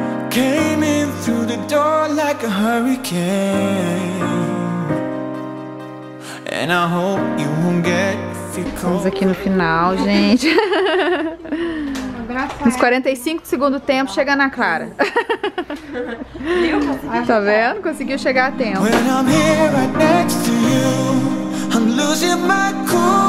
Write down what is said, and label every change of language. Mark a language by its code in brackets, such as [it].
[en] Came in through the door like a hurricane, and I hope you won't get if you call. [pt] Estamos aqui no final, gente. Nos 45 do segundo tempo, chega na Clara. Tá vendo? Conseguiu chegar a tempo. [en] When I'm here right next to you, I'm losing my cool.